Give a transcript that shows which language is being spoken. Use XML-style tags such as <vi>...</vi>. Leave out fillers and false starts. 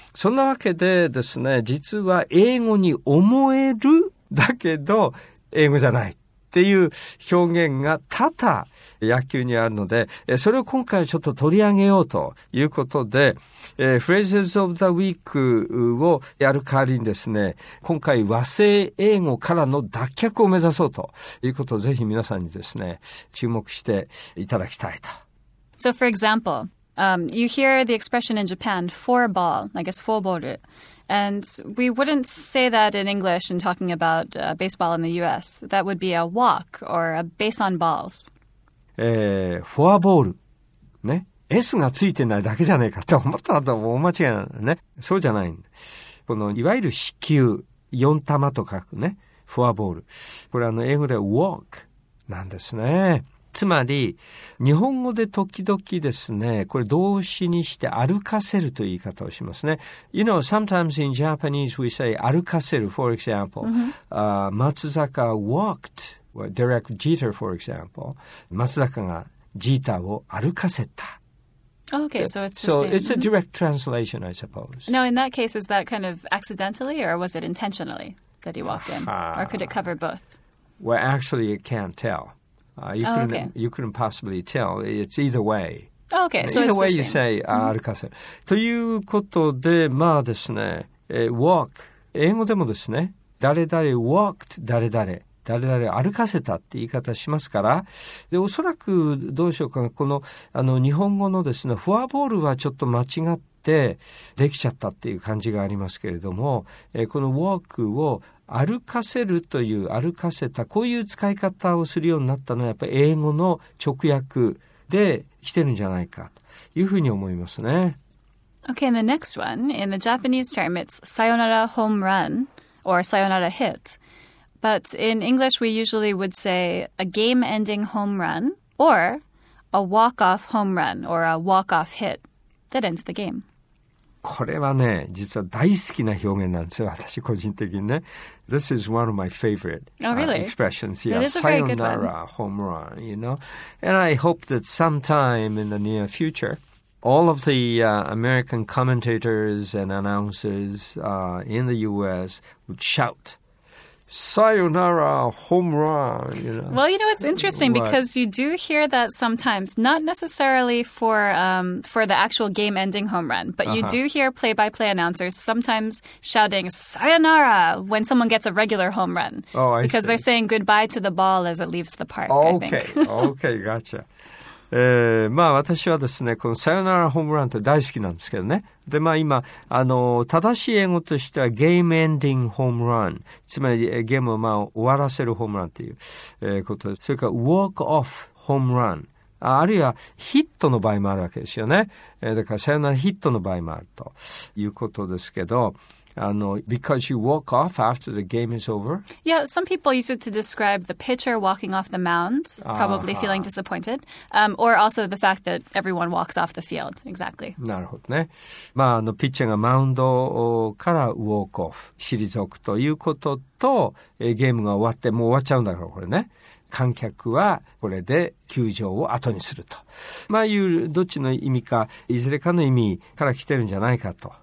<ja>そんなわけでですね、実は英語に思えるだけど、英語じゃないっていう表現が多々野球にあるので、それを今回ちょっと取り上げようということで、Phrases of the Week をやる代わりにですね、今回和製英語からの脱却を目指そうということをぜひ皆さんにですね、注目していただきたいと。</ja> <en>So for example, you hear the expression in Japan, four ball, I guess four ball. And we wouldn't say that in English in talking about baseball in the U.S. That would be a walk or a base on balls.</en> <ja>フォアボール。ね。 S がついてないだけじゃねえかって思ったら大間違いなんだね。そうじゃない。このいわゆる四球、四玉と書くね。フォアボール。これ英語で walk なんですね。つまり、日本語で時々ですね、これ動詞にして歩かせるという言い方をしますね。</ja> <en>You know, sometimes in Japanese we say 歩かせる for example.、 Mm-hmm. 松坂 walked, Derek Jeter for example.</en> <ja>松坂がジーターを歩かせた。</ja> <en>Okay, so it's the so same. So it's a direct translation, I suppose. Now, in that case, is that kind of accidentally or was it intentionally that he walked in? Or could it cover both? Well, actually, you can't tell. You couldn't possibly tell. It's either way. Okay, so either way the you say, 歩かせる。</en> <ja>ということで、まあですね、walk、英語でもですね、誰々 walked 誰々歩かせたって言い方しますから、で、おそらくどうしようかな、この、日本語のですね、フォアボールはちょっと間違ってできちゃったっていう感じがありますけれども、この walk を歩かせるという歩かせたこういう使い方をするようになったのはやっぱり英語の直訳で来てるんじゃないかというふうに思いますね。</ja> <en>Okay, and the next one, in the Japanese term, it's sayonara home run or sayonara hit. But in English, we usually would say a game-ending home run or a walk-off home run or a walk-off hit that ends the game.</en> <ja>これはね、実は大好きな表現なんですよ、私個人的にね。</ja> <en>This is one of my favorite、 really? expressions here. That is a very good one. Sayonara home run, you know. And I hope that sometime in the near future, all of the American commentators and announcers in the U.S. would shout, Sayonara home run, you know. Well, you know, it's interesting because you do hear that sometimes, not necessarily for the actual game ending home run, but you do hear play by play announcers sometimes shouting sayonara when someone gets a regular home run. Oh, I because see. They're saying goodbye to the ball as it leaves the park. Okay, I think. Okay, gotcha.</en> <ja>まあ私はですね、このサヨナラホームランって大好きなんですけどね。で、まあ今、正しい英語としてはゲームエンディングホームラン。つまりゲームをまあ終わらせるホームランっていうこと。それからウォークオフホームラン。あるいはヒットの場合もあるわけですよね。だからサヨナラヒットの場合もあるということですけど、</ja> <en>because you walk off after the game is over? Yeah, some people use it to describe the pitcher walking off the mound, probably feeling disappointed, or also the fact that everyone walks off the field, exactly.</en> <ja>なるほどね。まあ、ピッチャーがマウンドから walk off、退くということと、ゲームが終わって、もう終わっちゃうんだから、これね。観客はこれで球場を後にすると。まあいう、どっちの意味か、いずれかの意味から来てるんじゃないかと。</ja>